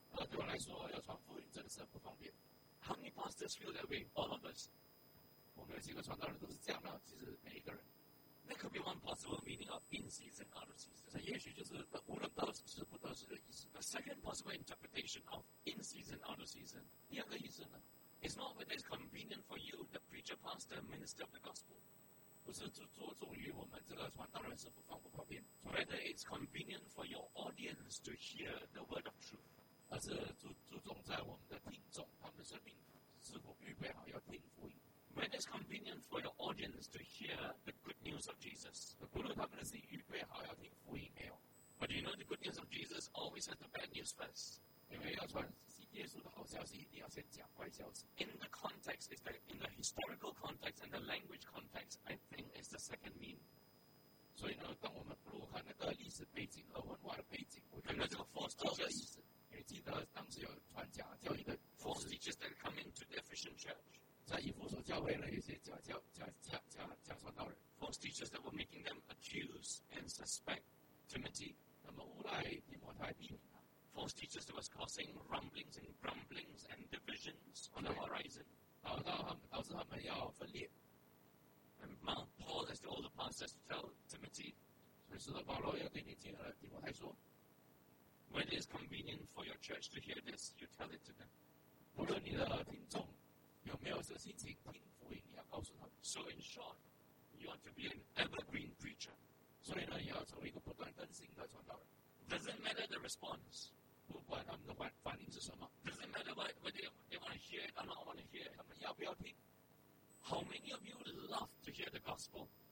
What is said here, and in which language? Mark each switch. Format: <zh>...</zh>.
<zh>对我来说，要传福音真的是不方便。</zh> <en>How many pastors feel that way? All of us.</en> <zh>我们有几个传道人都是这样的。其实每一个人。</zh> <en>That could be one possible meaning of in season, out of season.</en> <zh>这也许就是无论得时不得时的意思。</zh> <en>The second possible interpretation of in season, out of season.</en> <zh>第二个意思呢</zh> <en>？It's not whether it's convenient for you, the preacher, pastor, minister of the gospel.</en> <zh>不是着重于我们这个传道人是否方不方便</zh> <en>，Whether it's convenient for your audience to hear the word of truth，</en> <zh>而是注重在我们的听众，他们的生命是否预备好要听福音</zh> <en>，Whether it's convenient for your audience to hear the good news of Jesus，</en> <zh>不论他们的心预备好要听福音没有</zh> <en>，But you know the good news of Jesus always has the bad news first，</en> <zh>因为要传耶稣的好消息。先讲坏消息。</zh> <en>In the context, is that in the historical context and the language context, I think it's the second mean.</en> <zh>所以呢，当我们如果看那个历史背景和文化的背景，我看到这个</zh> <en>false teachers，</en> <zh>你记得当时有传假教义的</zh> <en>false teachers that come into the Ephesian church，</en> <zh>在以弗所教会了一些假教假传道人</zh> <en>，false teachers that were making them accuse and suspect Timothy。</en> <zh>那么后来提摩太避免。</zh> <en>False teachers that was causing rumblings and grumblings and divisions on the horizon.</en> <zh>导致他们要分裂。</zh> <en>And Mount Paul has all the pastors to tell Timothy.</en> <zh>所以使徒保罗要对你讲了，提摩太说</zh> <en>When it is convenient for your church to hear this, you tell it to them.</en> <zh>不论你的听众有没有这心情听福音，你要告诉他们。</zh> <en>So in short, you want to be an evergreen preacher.</en> <zh>所以呢，你要成为一个不断更新的传道人。</zh> <en>Doesn't matter the response.</en> <zh>不管他们的反应是什么。</zh> <en>Doesn't matter whether they want to hear it or not want to hear it.</en> <zh>他们要不要听。</zh> <en>How many of you love to hear the gospel?</en>